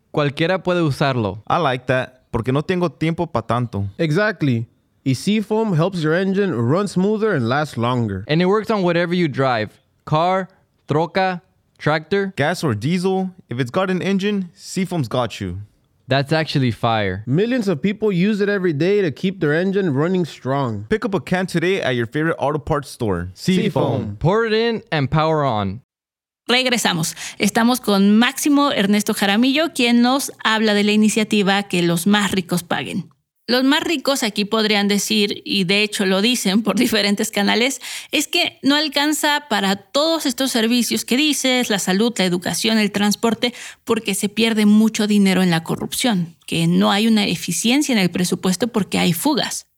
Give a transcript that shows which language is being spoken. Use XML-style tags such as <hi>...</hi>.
<es>Cualquiera puede usarlo.</es> <en>I like that.</en> <es>Porque no tengo tiempo pa tanto.</es> <en>Exactly. Y Seafoam helps your engine run smoother and last longer. And it works on whatever you drive. Car, troca, tractor, gas or diesel. If it's got an engine, Seafoam's got you. That's actually fire. Millions of people use it every day to keep their engine running strong. Pick up a can today at your favorite auto parts store. Seafoam. Pour it in and power on.</en> <es>Regresamos. Estamos con Máximo Ernesto Jaramillo, quien nos habla de la iniciativa Que los más ricos paguen. Los más ricos aquí podrían decir, y de hecho lo dicen por diferentes canales, es que no alcanza para todos estos servicios que dices, la salud, la educación, el transporte, porque se pierde mucho dinero en la corrupción, que no hay una eficiencia en el presupuesto porque hay fugas.</es>